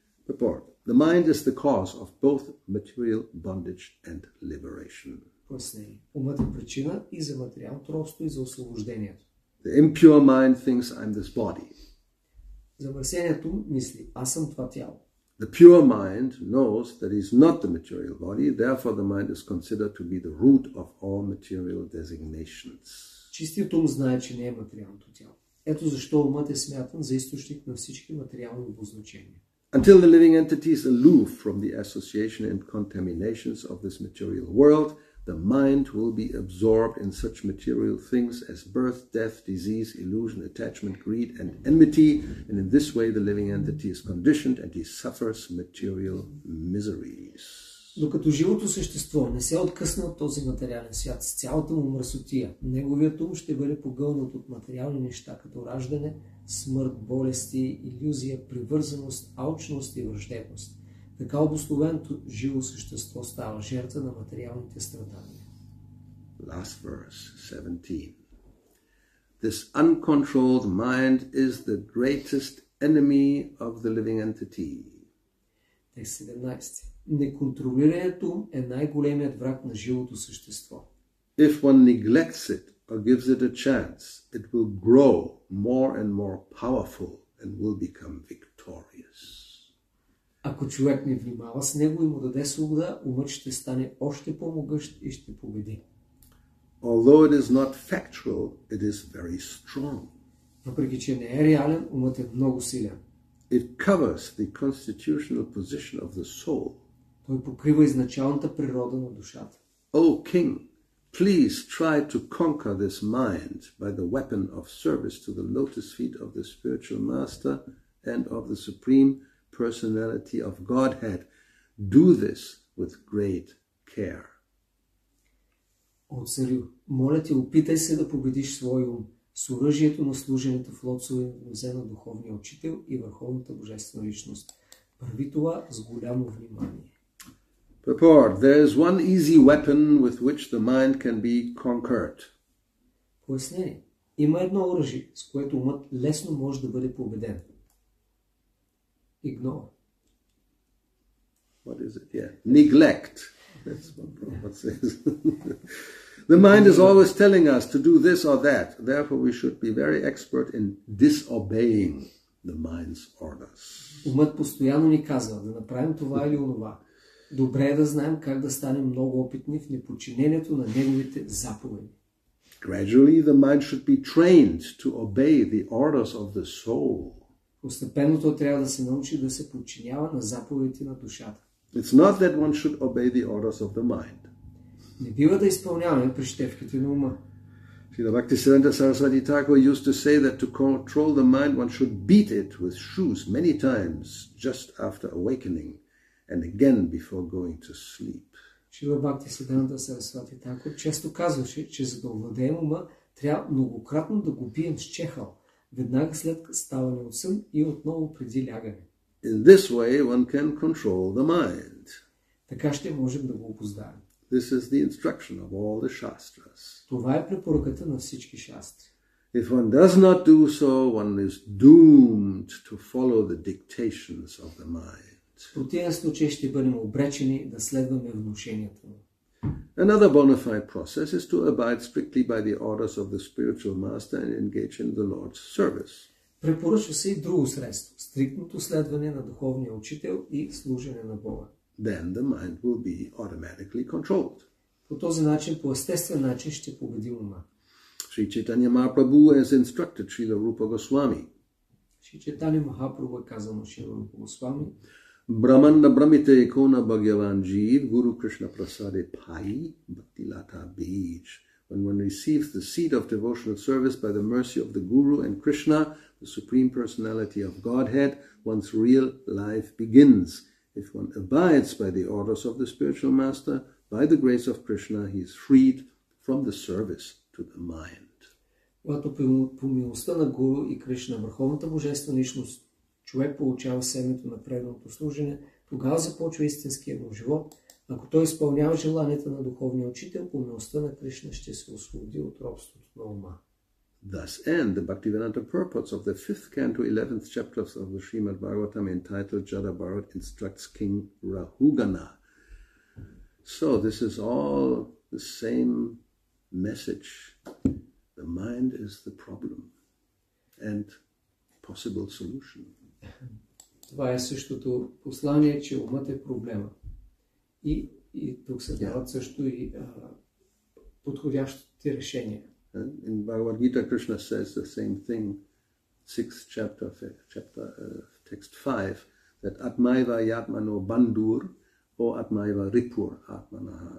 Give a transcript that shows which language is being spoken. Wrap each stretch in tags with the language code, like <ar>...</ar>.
<en>Purport. The mind is the cause of both material bondage and liberation.</en> <bg>Пояснение. Умът е причина и за материалното робство, и за освобождението.</bg> <en>The impure mind thinks I'm this body.</en> <bg>Замърсеният ум мисли, аз съм това тяло.</bg> <en>The pure mind knows that he is not the material body, therefore the mind is considered to be the root of all material designations.</en> <bg>Чистият ум знае, че не е материалното тяло. Ето защо умът е смятан за източник на всички материални обозначения.</bg> <en>Until the living entity is aloof from the association and contaminations of this material world, the mind will be absorbed in such material things as birth, death, disease, illusion, attachment, greed and enmity, and in this way the living entity is conditioned and he suffers material miseries.</en> <bg>Докато живото същество не се откъсне от този материален свят с цялата му мръсотия, неговият ум ще бъде погълнат от материални неща като раждане, смърт, болести, илюзия, привързаност, алчност и враждебност. Така обусловеното живо същество става жертва на материалните страдания.</bg> <en>Last verse, 17. This uncontrolled mind is the greatest enemy of the living entity.</en> <bg>Текст 17. Неконтролирането е най-големият враг на живото същество.</bg> <en>If one neglects it or gives it a chance, it will grow more and more powerful and will become victorious.</en> <bg>Ако човек не внимава с него и му даде свобода, умът ще стане още по-могъщ и ще победи.</bg> <en>Although it is not factual, it is very strong.</en> <bg>Въпреки че не е реален, умът е много силен.</bg> <en>It covers the constitutional position of the soul.</en> <bg>Той покрива изначалната природа на душата.</bg> <en>O king, please try to conquer this mind by the weapon of service to the lotus feet of the spiritual master and of the supreme personality of Godhead. Do this with great care.</en> <bg>О, царю, моля те, опитай се да победиш своя ум с оръжието на служенето в лоцове на духовния учител и върховната божествена личност. Прави това с голямо внимание.</bg> <en>Purport. There is one easy weapon with which the mind can be conquered.</en> <bg>Пояснение. Има едно оръжие, с което умът лесно може да бъде победен.</bg> <en>Ignore. What is it? Yeah. Neglect. That's what Prabhupada says. The mind is always telling us to do this or that. Therefore, we should be very expert in disobeying the mind's orders.</en> <bg>Умът постоянно ни казва да направим това или онова. Добре е да знаем как да станем много опитни в неподчинението на неговите заповеди.</bg> <en>Gradually, the mind should be trained to obey the orders of the soul.</en> <bg>Постепенно то трябва да се научи да се подчинява на заповедите на душата.</bg> <en>It's not that one should obey the orders of the mind.</en> <bg>Не бива да изпълняваме прищевките на ума.</bg> <en>See, the Bhakti-siddhanta Saraswati Thakur used to say that to control the mind one should beat it with shoes many times just after awakening and again before going to sleep.</en> <bg>Шрила Бхакти-сиддханта Сарасвати Такур често казваше, че за да овладеем ума трябва многократно да го бием с чехъл, веднага след ставане от сън и отново преди лягане.</bg> <en>In this way one can control the mind.</en> <bg>Така ще можем да го опознаем.</bg> <en>This is the instruction of all the shastras.</en> <bg>Това е препоръката на всички шастри.</bg> <en>If one does not do so, one is doomed to follow the dictations of the mind.</en> <bg>В противен случай ще бъдем обречени да следваме внушенията.</bg> <en>Another bona fide process is to abide strictly by the orders of the spiritual master and engage in the Lord's service.</en> <bg>Препоръчва се и друго средство, стриктното следване на духовния учител и служене на Бога.</bg> <en>Then the mind will be automatically controlled.</en> <bg>По този начин, по естествен начин ще победи ума.</bg> <en>Шри Чайтанья Махапрабху has instructed Шрила Рупа Госвами.</en> <bg>Шри Чайтанья Махапрабху е казал на Шрила Рупа Госвами. Браманда брамите икона Бхагаван жив, Гуру Кришна прасаде пай, бхакти лата бидж.</bg> <en>When one receives the seed of devotional service by the mercy of the Guru and Krishna, the Supreme Personality of Godhead, one's real life begins. If one abides by the orders of the spiritual master, by the grace of Krishna, he is freed from the service to the mind.</en> <bg>Когато по милостта на Гуру и Кришна, върховната божествена личност, човек получава семето на преданото служене, тогава започва истинския му живот. Ако той изпълнява желанията на духовния учител, по милостта на Кришна ще се освободи от робството на ума.</bg> <en>Thus end the Bhaktivedanta purports of the 5th canto, 11th chapters of the Srimad Bhagavatam entitled Jada Bharat instructs King Rahugana. So this is all the same message. The mind is the problem and possible solution.</en> <bg>Това е същото послание, че умът е проблема. И тук се дават също и подходящите решения.</bg> <en>In Bhagavad Gita, Krishna says the same thing, 6th chapter, text 5, that</en> <sa>Atmaiva Yatmano Bandur</sa> <en>or</en> <sa>Atmaiva Ripur Atmanaha.</sa>